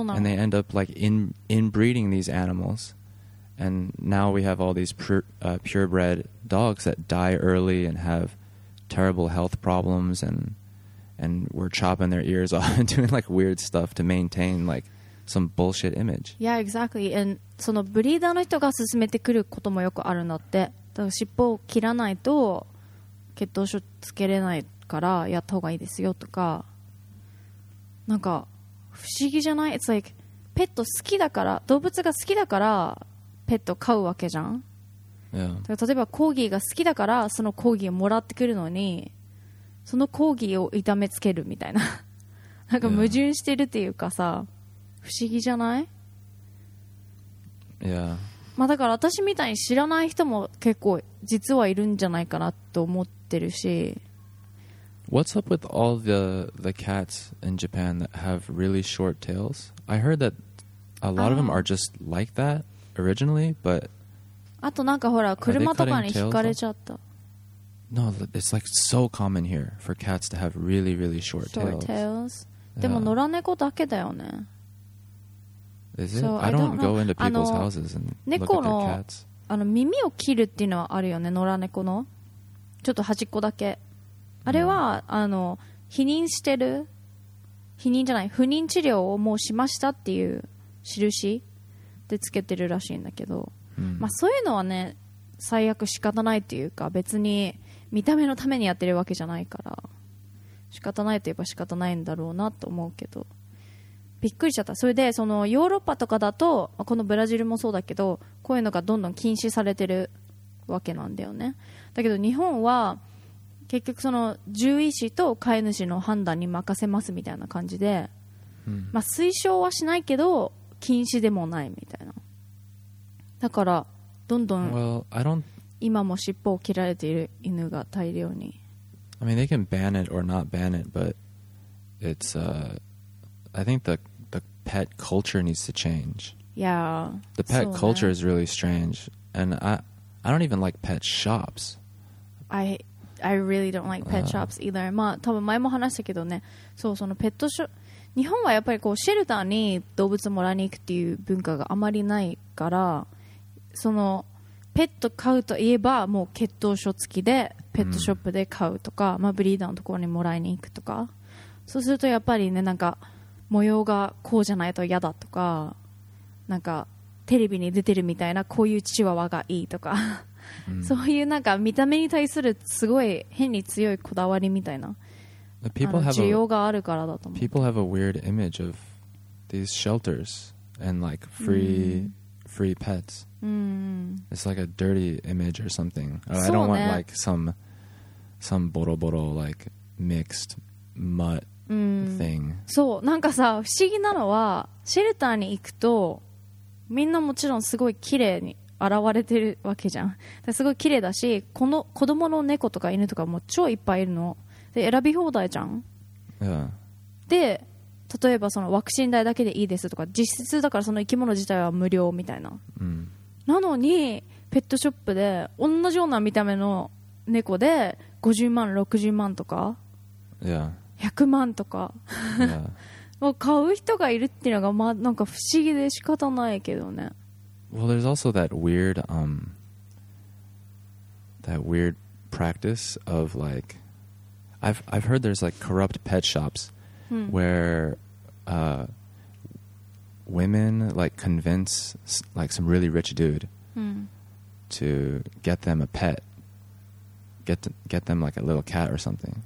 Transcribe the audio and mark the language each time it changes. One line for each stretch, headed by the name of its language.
English: and they end up like inbreeding these animals. And now we have all these purebred dogs that die early and have terrible health problems, and we're chopping their ears off and doing like weird stuff to maintain like. Some bullshit image. Yeah, exactly.
Japanese: And そのブリーダーの人が勧めてくることもよくあるんだって。だから尻尾を切らないと血統書つけれないからやった方がいいですよとか。なんか不思議じゃない? It's like ペット好きだから、動物が好きだからペット飼うわけじゃん。
English: Yeah.
Japanese: 例えばコーギーが好きだからそのコーギーをもらってくるのにそのコーギーを痛めつけるみたいななんか矛盾してるっていうかさ、yeah. 不思議じゃない？
English: Yeah.
Japanese: まあだから私みたいに知らない人も結構実はいるんじゃないかなと思ってるし。
English: What's up with all the cats in Japan that have really short tails? I heard that a lot of them are just like that originally, but
Japanese: あとなんかほら車とかに引かれちゃった。
English: No, it's like so common here for cats to have really, really short tails. Short tails?
Japanese: でも野良猫だけだよね。
English: Is it? I don't go into people's houses and look at their cats.
Japanese: あの耳を切るっていうのはあるよね、野良猫の。ちょっと端っこだけ。あれは、あの、避妊してる？避妊じゃない、不妊治療をもうしましたっていう印でつけてるらしいんだけど。まあ、そういうのはね最悪仕方ないっていうか別に見た目のためにやってるわけじゃないから仕方ないといえば仕方ないんだろうなと思うけどびっくりしちゃった。それでそのヨーロッパとかだとこのブラジルもそうだけどこういうのがどんどん禁止されてるわけなんだよね。だけど日本は結局その獣医師と飼い主の判断に任せますみたいな感じで、まあ、推奨はしないけど禁止でもないみたいな。だからどんどん今も尻尾を切られている犬が大量に。
English: I mean they can ban it or not ban it but it's I think the pet culture needs to change. Yeah. The pet culture is really strange and I don't even like pet shops. I really don't like pet shops either.
Japanese: まあ多分前も話したけどね。そう、そのペットショ日本はやっぱりこうシェルターに動物をもらいに行くっていう文化があまりないからそのペット飼うといえばもう血統書付きでペットショップで飼うとか、うん、まあ、ブリーダーのところにもらいに行くとかそうするとやっぱりねなんか模様がこうじゃないと嫌だとかなんかテレビに出てるみたいなこういうチワワがいいとか、うん、そういうなんか見た目に対するすごい変に強いこだわりみたいな需要があるからだと思う。
English: People have a weird image of these shelters and like free、
Japanese: うん、
English: free pets
Japanese: うん、
English: It's like a dirty image or something. I don't want like some boroboro like mixed mutt thing.
Japanese: そう、なんかさ、不思議なのはシェルターに行くとみんなもちろんすごい綺麗に現れてるわけじゃん。すごい綺麗だし、この子供の猫とか犬とかも超いっぱいいるの。で、選び放題じゃん。で、例えばそのワクチン代だけでいいですとか、実質だからその生き物自体は無料みたいな。なのにペットショップで同じような見た目の猫で50万60万とか、
English: yeah.
Japanese: 100万とか、
English: yeah.
Japanese: もう買う人がいるっていうのが、ま、なんか不思議で仕方ないけどね。
English: Well there's also that weird that weird practice of like I've heard there's like corrupt pet shops where women like convince like some really rich dude to get them a pet, get them like a little cat or something.